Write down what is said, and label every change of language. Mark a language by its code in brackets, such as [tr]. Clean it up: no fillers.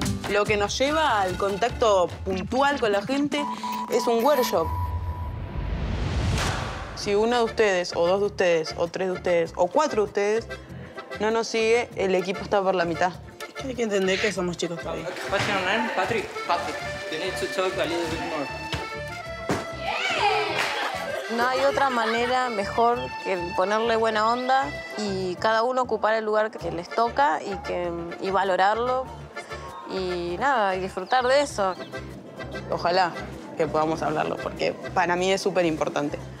[es] Lo que nos lleva al contacto puntual con la gente es un workshop. Si uno de ustedes, o dos de ustedes, o tres de ustedes, o cuatro de ustedes no nos sigue, el equipo está por la mitad. Hay que entender que somos chicos todavía. [en] What's your name? Patrick. Patrick. You need to talk a little bit more. [es] No hay otra manera mejor que ponerle buena onda y cada uno ocupar el lugar que les toca y valorarlo y nada, y disfrutar de eso. Ojalá que podamos hablarlo, porque para mí es súper importante.